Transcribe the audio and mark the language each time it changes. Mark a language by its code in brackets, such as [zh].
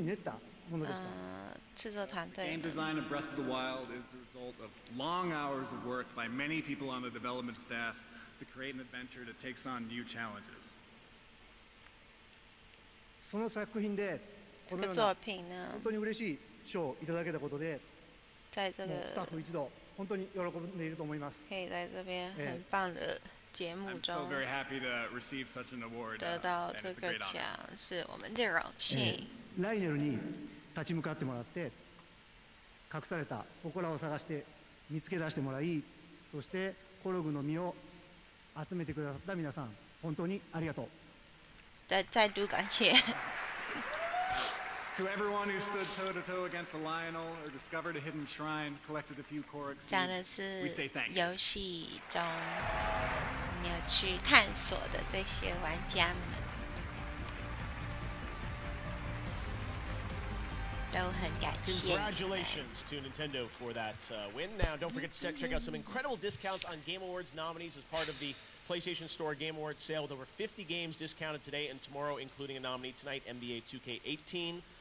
[en] Game design of Breath of the Wild is the result of long hours of work by many people on the development staff to create an adventure that takes on new challenges. [ja] その作品で、この作品本当に嬉しい賞をいただけたことで、スタッフ一同本当に喜んでいると思います。 [zh] 可以在这边很棒的节目中。 [en] I'm so very happy to receive such an award. [zh] 得到这个奖是我们的荣幸。 [ja] ライネルに立ち向かってもらって、隠された祠を探して見つけ出してもらい、そしてコログの実を集めてくださった皆さん、本当にありがとう。 [zh] 再度感謝。 [en] To everyone who stood toe to toe against the Lionel or discovered a hidden shrine, collected a few Korok seeds, we say thank you. [zh] 讲的是游戏中你要去探索的这些玩家们都很感谢。 [en] Congratulations to Nintendo for that win. Now, don't forget to check out some incredible discounts on Game Awards nominees as part of the PlayStation Store Game Awards sale with over 50 games discounted today and tomorrow, including a nominee tonight, NBA 2K18.